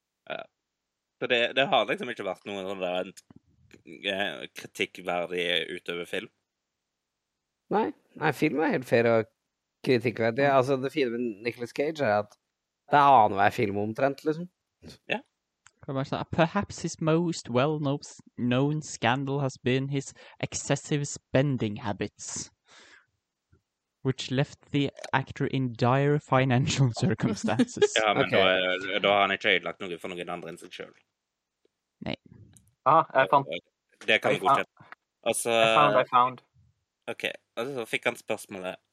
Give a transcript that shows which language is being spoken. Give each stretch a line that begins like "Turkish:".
Norwegian: Ja. Det har liksom ikke vært noen sånn der kritikkverdig utover film. Nei, film er helt fair og kritikkverdig. Altså, det fine med Nicolas Cage er at det er annet hver film omtrent, liksom. Ja.
English: Perhaps his most well-known scandal has been his excessive spending habits, which left the actor in dire financial circumstances.
Norwegian: Ja, men okay. Da har han ikke ødelagt noe for noen andre enn seg selv. Nei. Aha, jeg fant. Det kan jeg godkjenne. Altså,
English: I found.
Norwegian: Ok, altså så fikk han spørsmålet.